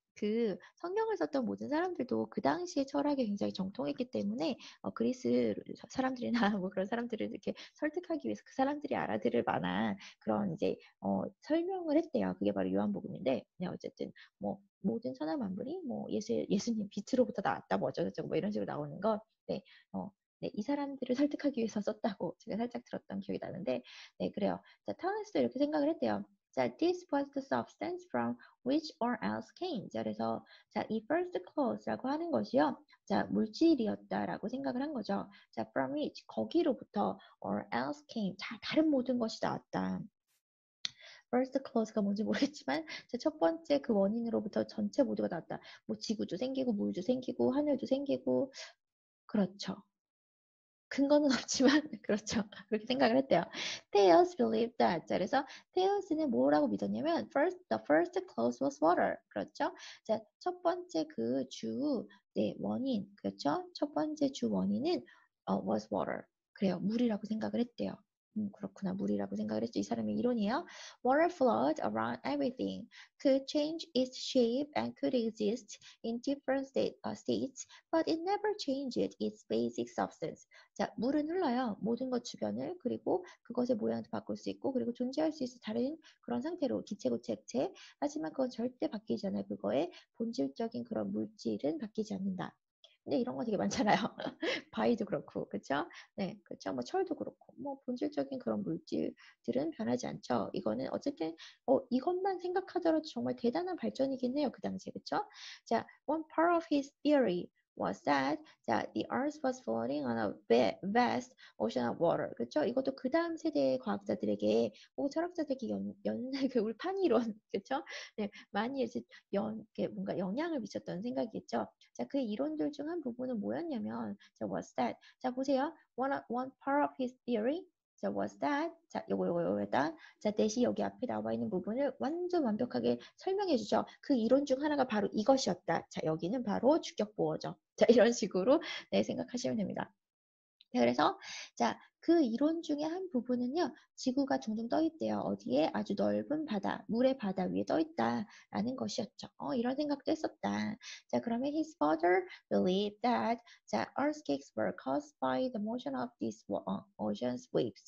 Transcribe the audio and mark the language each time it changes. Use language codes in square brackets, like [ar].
[ko] 그 성경을 썼던 모든 사람들도 그 당시에 철학에 굉장히 정통했기 때문에 그리스 사람들이나 뭐 그런 사람들을 이렇게 설득하기 위해서 그 사람들이 알아들을 만한 그런 이제 설명을 했대요. 그게 바로 요한복음인데, 네, 어쨌든 뭐 모든 천하 만물이 뭐 예수님 빛으로부터 나왔다, 뭐 어쩌고저쩌고 뭐 이런 식으로 나오는 거, 네, 네, 이 사람들을 설득하기 위해서 썼다고 제가 살짝 들었던 기억이 나는데, 네, 그래요. 자, 토마스도 이렇게 생각을 했대요. [en] 자, this was the substance from which all else came. [ko] 자, 그래서 자, 이 first clause라고 하는 것이요. 자, 물질이었다라고 생각을 한 거죠. 자, from which, 거기로부터 [en] all else came. [ko] 자, 다른 모든 것이 나왔다. First clause가 뭔지 모르겠지만, 자, 첫 번째 그 원인으로부터 전체 모두가 나왔다. 뭐, 지구도 생기고, 물도 생기고, 하늘도 생기고. 그렇죠. 근거는 없지만 그렇죠. 그렇게 생각을 했대요. [en] Tales believed that. [ko] 자, 그래서 Tales는 뭐라고 믿었냐면 [en] the first clause was water. 그렇죠? [ko] 자, 첫 번째 그 주, 네, 원인. 그렇죠? 첫 번째 주 원인은 [en] was water. [ko] 그래요. 물이라고 생각을 했대요. 그렇구나. 물이라고 생각을 했죠. 이 사람의 이론이에요. [en] Water flowed around everything, could change its shape and could exist in different states, but it never changed its basic substance. [ko] 자, 물은 흘러요. 모든 것 주변을, 그리고 그것의 모양도 바꿀 수 있고, 그리고 존재할 수 있어 다른 그런 상태로, 기체고체, 액체. 하지만 그건 절대 바뀌지 않아요. 그거의 본질적인 그런 물질은 바뀌지 않는다. 근데 이런 거 되게 많잖아요. 바위도 그렇고, 그렇죠? 네, 그렇죠? 뭐 철도 그렇고, 뭐 본질적인 그런 물질들은 변하지 않죠. 이거는 어쨌든 이것만 생각하더라도 정말 대단한 발전이긴 해요, 그 당시에, 그렇죠? [en] 자, one part of his theory was that the earth was floating on a vast ocean of water. [ko] 그렇죠? 이것도 그 다음 세대의 과학자들에게, 철학자들에게 울판이론, 그렇죠? 네, 많이 이제 뭔가 영향을 미쳤던 생각이겠죠. 자, 그의 이론들 중한 부분은 뭐였냐면, 자, was that? 자, 보세요. [en] One part of his theory [ko] 자, was that? 자, 요거, 요거, 요거, 일단. 자, 대시 여기 앞에 나와 있는 부분을 완전 완벽하게 설명해 주죠. 그 이론 중 하나가 바로 이것이었다. 자, 여기는 바로 주격 보어죠. 자, 이런 식으로, 네, 생각하시면 됩니다. 자, 그래서, 자, 그 이론 중에 한 부분은요, 지구가 종종 떠 있대요. 어디에? 아주 넓은 바다, 물의 바다 위에 떠 있다. 라는 것이었죠. 이런 생각도 했었다. [en] 자, 그러면 his father believed that the earthquakes were caused by the motion of these ocean's waves.